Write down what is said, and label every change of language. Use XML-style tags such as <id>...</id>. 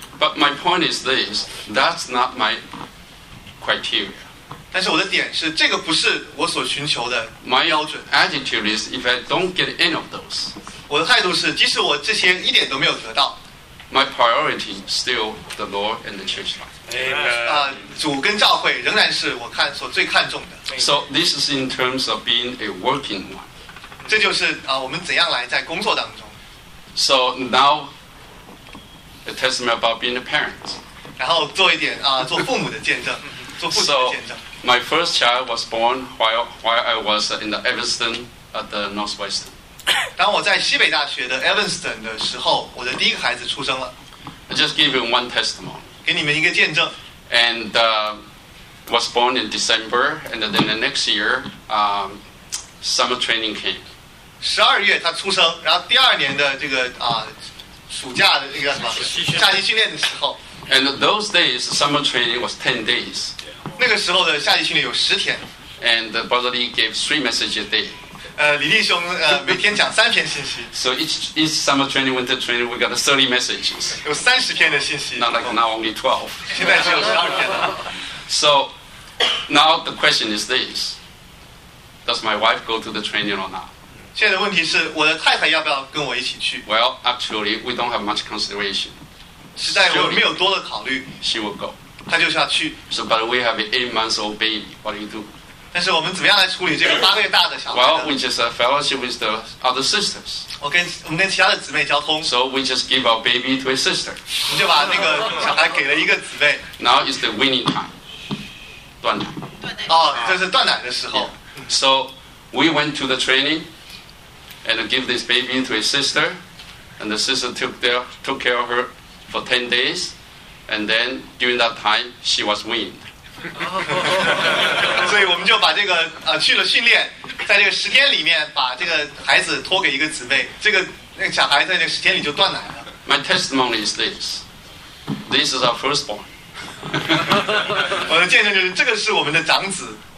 <en>But my point is this, that's not my criteria.</en> <zh>但是我的点是，这个不是我所寻求的标准。</zh> <en>My attitude is, if I don't get any of those,</en> <zh>我的态度是，即使我这些一点都没有得到</zh> <en>，my priority still the Lord and the church life.</en> <zh>主跟教会仍然是我看所最看重的。</zh> <en>So this is in terms of being a working one.</en> <zh>这就是我们怎样来在工作当中。</zh> <en>So now, a testimony about being a parent.</en> <zh>然后做一点做父母的见证，做父亲的见证。</zh> <en>So my first child was born while I was in the Evanston at the Northwestern.</en> <zh>当我在西北大学的 Evanston 的时候，我的第一个孩子出生了。</zh> <en>I just give you one testimony.</en> <zh>给你们一个见证。</zh> <en>And was born in December, and then the next year, summer training came.</en> <zh>十二月他出生，然后第二年的这个暑假的那个什么夏季训练的时候。</zh> <en>And those days, summer training was 10 days.</en> <zh>那个时候的夏季训练有10天。</zh> <en>And Brother Lee gave 3 messages a day.</en> <zh>李弟兄每天讲3篇信息。</zh> <en>So each summer training, winter training, we got 30 messages.</en> <zh>有30篇的信息。</zh> <en>Not like now only 12.</en> <zh>现在只有12篇了。</zh> <en>So now the question is this: Does my wife go to the training or not?</en> <zh>现在的问题是，我的太太要不要跟我一起去</zh> <en>？Well, actually, we don't have much consideration.</en> <zh>实在我没有多的考虑。</zh> <en>She will go.</en> <zh>她就是要去。</zh> <en>So, but we have an 8-month-old baby. What do you do?</en> <zh>但是我们怎么样来处理这个8个月大的小孩</zh> <en>？Well, we just fellowship with the other sisters.</en> <zh>我们跟其他的姊妹交通。</zh> <en>So we just give our baby to a sister.</en> <zh>我们就把那个小孩给了一个姊妹。</zh> <en>Now is the weaning time.</en> <zh>断奶哦，这是断奶的时候。</zh> <en>Yeah. So we went to the training and give this baby to his sister, and the sister took care of her for 10 days, and then during that time she was weaned.</en> <zh>所以我们就把这个去了训练，在这个十天里面把这个孩子托给一个姊妹，这个那个小孩在这十天里就断奶了。</zh> <en>My testimony is this is our firstborn.</en> <zh>我的见证就是这个是我们的长子。</zh>